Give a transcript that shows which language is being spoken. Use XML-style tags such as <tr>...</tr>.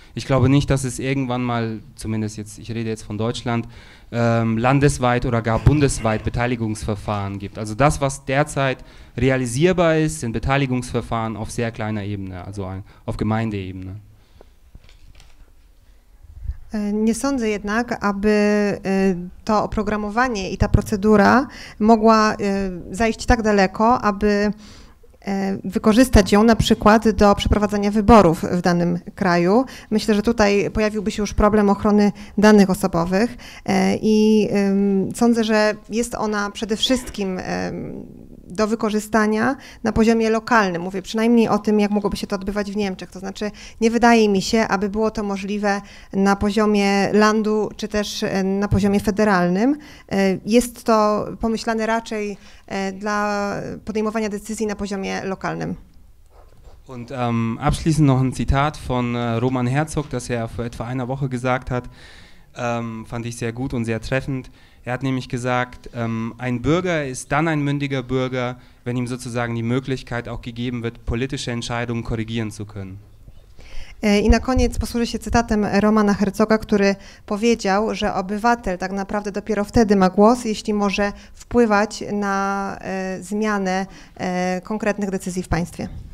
<de>Ich glaube nicht, dass es irgendwann mal, zumindest jetzt, ich rede jetzt von Deutschland, landesweit oder gar bundesweit Beteiligungsverfahren gibt. Also das, was derzeit realisierbar ist, sind Beteiligungsverfahren auf sehr kleiner Ebene, also auf Gemeindeebene.</de> <pl>Nie sądzę jednak, aby to oprogramowanie i ta procedura mogła zajść tak daleko, aby wykorzystać ją na przykład do przeprowadzania wyborów w danym kraju. Myślę, że tutaj pojawiłby się już problem ochrony danych osobowych i sądzę, że jest ona przede wszystkim do wykorzystania na poziomie lokalnym. Mówię przynajmniej o tym, jak mogłoby się to odbywać w Niemczech. To znaczy nie wydaje mi się, aby było to możliwe na poziomie landu czy też na poziomie federalnym. Jest to pomyślane raczej dla podejmowania decyzji na poziomie lokalnym.</pl> <de>Und abschließend noch ein Zitat von Roman Herzog, das vor etwa einer Woche gesagt hat, fand ich sehr gut und sehr treffend. Er hat nämlich gesagt, ein Bürger ist dann ein mündiger Bürger, wenn ihm sozusagen die Möglichkeit auch gegeben wird, politische Entscheidungen korrigieren zu können.</de> <pl>I na koniec posłużę się cytatem Romana Herzoga, który powiedział, że obywatel tak naprawdę dopiero wtedy ma głos, jeśli może wpływać na zmianę konkretnych decyzji w państwie.</pl>